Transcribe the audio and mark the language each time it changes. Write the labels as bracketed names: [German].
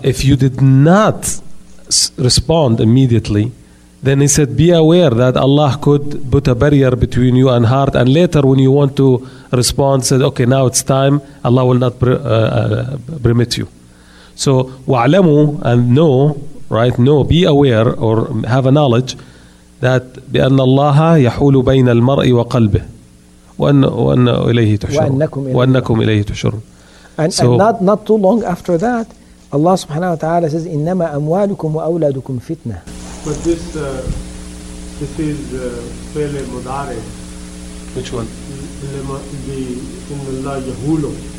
[English] If you did not respond immediately, then he said, be aware that Allah could put a barrier between you and heart. And later when you want to respond, said, okay, now it's time. Allah will not permit you. So, wa'alamu, and know, right? Know, be aware or have a knowledge that [Arabic] بِأَنَّ اللَّهَ يَحُولُ بَيْنَ الْمَرْءِ وَقَلْبِهِ وَأَنَّ إِلَيْهِ تُحْشُرُونَ وَأَنَّكُمْ إِلَيْهِ تُحْشُرُونَ [English] And, so, and not too long after that, Allah subhanahu wa ta'ala says, [Arabic] إِنَّمَا أَمْوَالُكُمْ وَأَوْلَادُكُمْ فِتْنَةً. [English] But this is Fele Mudare. Which one? The Innallah Yahulu.